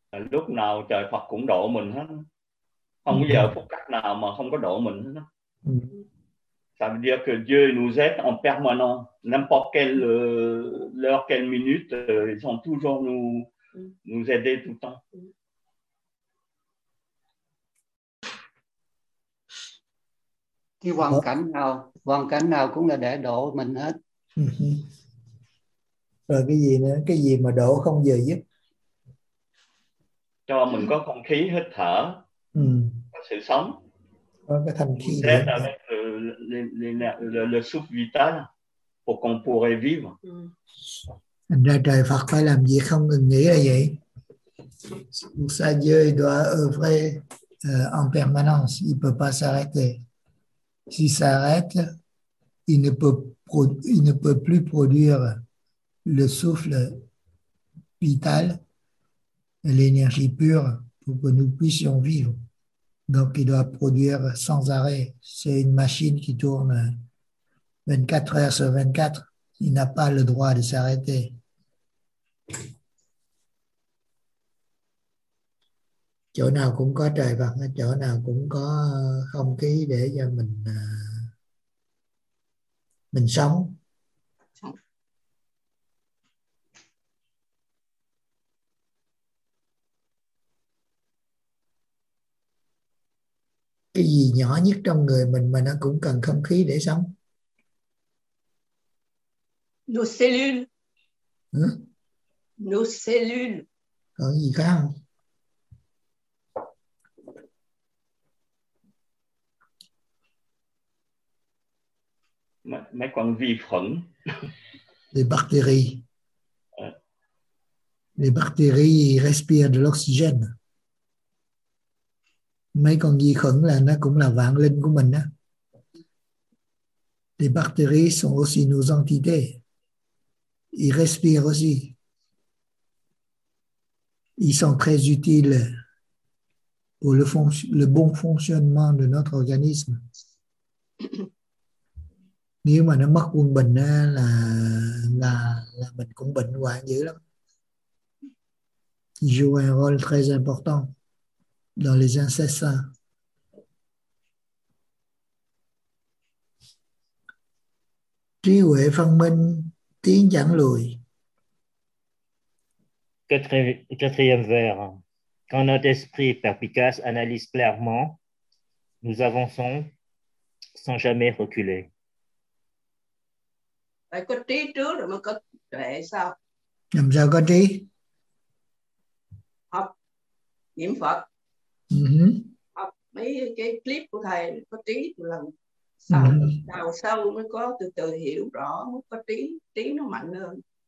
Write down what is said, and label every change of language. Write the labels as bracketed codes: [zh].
[vi] Lúc nào trời Phật cũng độ mình hết. Không giờ phút cách nào mà không có độ mình hết. [fr] Ça veut dire que Dieu nous aide en permanence. N'importe quelle heure, quelle minute, ils sont toujours nous aider tout le temps. [vi] Cái hoàn cảnh nào cũng là để độ mình hết. Rồi cái gì nữa? Cái gì mà độ không giờ giấc? Cho mình có không khí hít thở. Có sự sống. Có cái thanh khí. [fr] Le souffle vital pour qu'on pourrait vivre. [vi] Thành ra trời Phật phải làm gì không ngừng nghỉ là vậy. [fr] Pour ça Dieu doit œuvrer en permanence, il peut pas s'arrêter. S'il s'arrête, il ne peut plus produire le souffle vital, l'énergie pure, pour que nous puissions vivre. Donc, il doit produire sans arrêt. C'est une machine qui tourne 24 heures sur 24. Il n'a pas le droit de s'arrêter. Donc, [vi] Chỗ nào cũng có trời Phật, chỗ nào cũng có không khí để cho mình sống. Cái gì nhỏ nhất trong người mình mà nó cũng cần không khí để sống? [fr] Nos cellules. [vi] Hả? [fr] Nos cellules. [vi] Còn gì khác không? Mấy con vi khuẩn. [fr] Les bactéries. Les bactéries respirent de l'oxygène. [vi] Mấy con vi khuẩn là nó cũng là vạn linh của mình á. [fr] Les bactéries sont aussi nos entités. Ils respirent aussi. Ils sont très utiles pour le bon fonctionnement de notre organisme. [vi] Nếu mà nó mất quân bình á là mình cũng bệnh hoạn dữ lắm. [fr] Ils jouent un rôle très important dans les incessants. [vi] Trí huệ phân minh, tiếng chẳng lùi. [fr] Quatrième vers. Quand notre esprit perspicace analyse clairement, nous avançons sans jamais reculer. [vi] Phải có trí trước rồi mà có trẻ sao? Làm sao có trí? Học niệm Phật. Mấy cái clip của thầy có trí một lần đào sâu mới có từ từ hiểu rõ, có trí nó mạnh hơn.